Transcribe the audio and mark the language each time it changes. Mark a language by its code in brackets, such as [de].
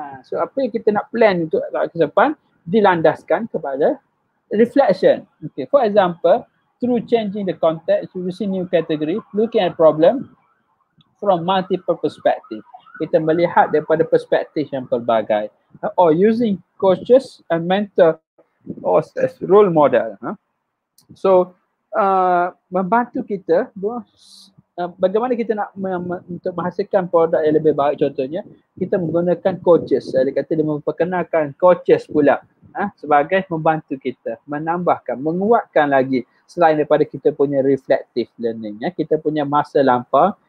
[ms] So, apa yang kita nak plan untuk ke depan dilandaskan kepada reflection. [en] Okay, for example, through changing the context, using new category, looking at problem from multiple perspective. [ms] Kita melihat daripada perspektif yang pelbagai. [en] Or using coaches and mentor or as role model. [ms] So, membantu kita bagaimana kita nak untuk menghasilkan produk yang lebih baik, contohnya kita menggunakan coaches. Dia kata dia memperkenalkan coaches pula sebagai membantu kita menambahkan, menguatkan lagi selain daripada kita punya reflective learning, kita punya masa lampau.